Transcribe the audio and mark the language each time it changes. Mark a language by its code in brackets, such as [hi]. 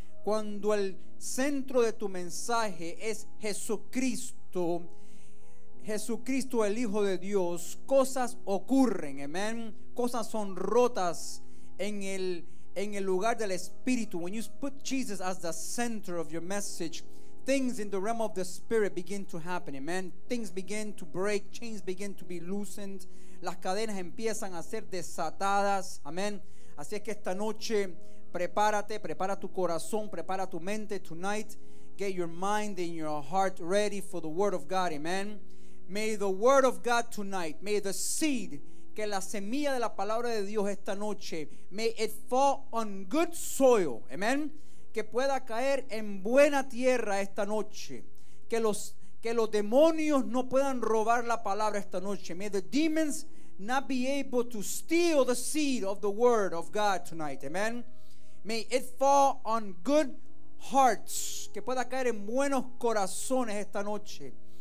[es] Cuando el centro de tu mensaje es Jesucristo, Jesucristo el Hijo de Dios, cosas ocurren. Amen. Cosas son rotas en el lugar del Espíritu. [en] When you put Jesus as the center of your message, things in the realm of the Spirit begin to happen. Amen. Things begin to break. Chains begin to be loosened. [es] Las cadenas empiezan a ser desatadas. Amen. Así es que esta noche, prepárate, prepara tu corazón, prepara tu mente. [en] Tonight, get your mind and your heart ready for the word of God. Amen. May the word of God tonight, may the seed, [es] que la semilla de la palabra de Dios esta noche, [en] may it fall on good soil. Amen. [es] Que pueda caer en buena tierra esta noche. Que los demonios no puedan robar la palabra esta noche. [en] May the demons not be able to steal the seed of the word of God tonight. Amen. May it fall on good hearts. [es] Que pueda caer en buenos corazones esta noche.